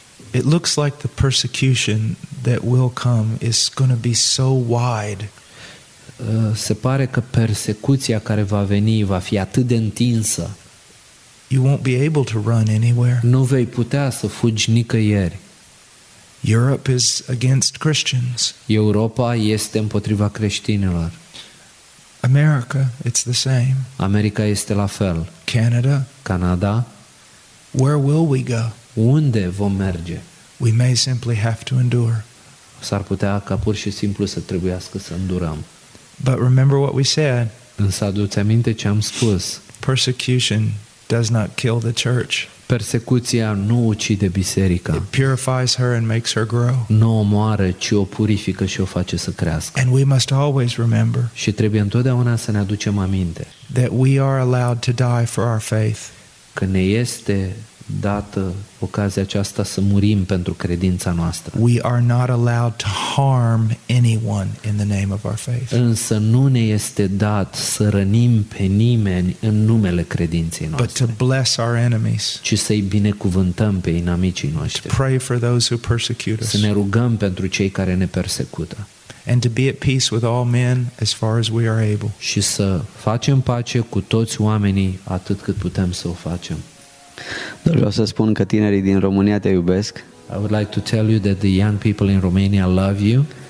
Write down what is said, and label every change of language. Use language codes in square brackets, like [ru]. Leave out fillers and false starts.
[en] It looks like the persecution that will come is going to be so wide. [ro] Se pare că persecuția care va veni va fi atât de întinsă. [en] You won't be able to run anywhere. [ro] Nu vei putea să fugi nicăieri. [en] Europe is against Christians. [ro] Europa este împotriva creștinilor. [en] America, it's the same. [ro] America este la fel. [en] Canada. [ro] Canada. [en] Where will we go? [ro] Unde vom merge? [en] We may simply have to endure. [ro] S-ar putea ca pur și simplu să trebuiască să îndurăm. [en] But remember what we said. [ro] Însă aduți aminte ce am spus. [en] Persecution does not kill the church. [ro] Persecuția nu ucide biserica. [en] It purifies her and makes her grow. [ro] Nu omoară, ci o purifică și o face să crească. [en] And we must always remember. [ro] Și trebuie întotdeauna să ne aducem aminte. [en] That we are allowed to die for our faith. [ro] Că ne este dată ocazia aceasta să murim pentru credința noastră. [en] We are not allowed to harm anyone in the name of our faith. [ro] Însă nu ne este dat să rănim pe nimeni în numele credinței noastre. [en] But to bless our enemies. [ro] Ci să-i binecuvântăm pe inamicii noștri. [en] To pray for those who persecute us. [ro] Să ne rugăm pentru cei care ne persecută. [en] And to be at peace with all men as far as we are able. [ro] Și să facem pace cu toți oamenii atât cât putem să o facem. Dar vreau să spun că tinerii din România te iubesc. [en] I would like to tell you that the young people in Romania love you.